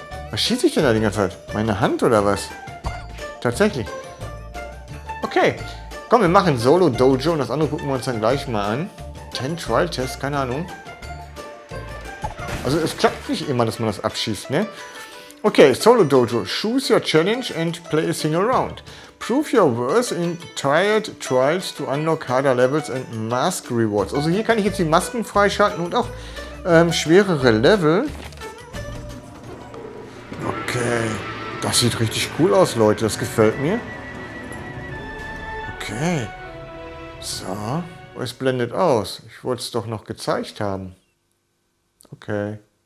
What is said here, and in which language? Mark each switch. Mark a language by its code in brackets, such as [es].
[de] Was schieße ich denn da die ganze Zeit? Meine Hand oder was? Tatsächlich. Okay. Komm, wir machen Solo Dojo und das andere gucken wir uns dann gleich mal an. 10 Trial Tests, keine Ahnung. Also es klappt nicht immer, dass man das abschießt, ne? Okay, Solo Dojo. [en] Choose your challenge and play a single round. Prove your worth in tired trials to unlock harder levels and mask rewards. [de] Also hier kann ich jetzt die Masken freischalten und auch schwerere Level. Okay. Das sieht richtig cool aus, Leute. Das gefällt mir. Okay. So. Es blendet aus. Ich wollte es doch noch gezeigt haben. Okay.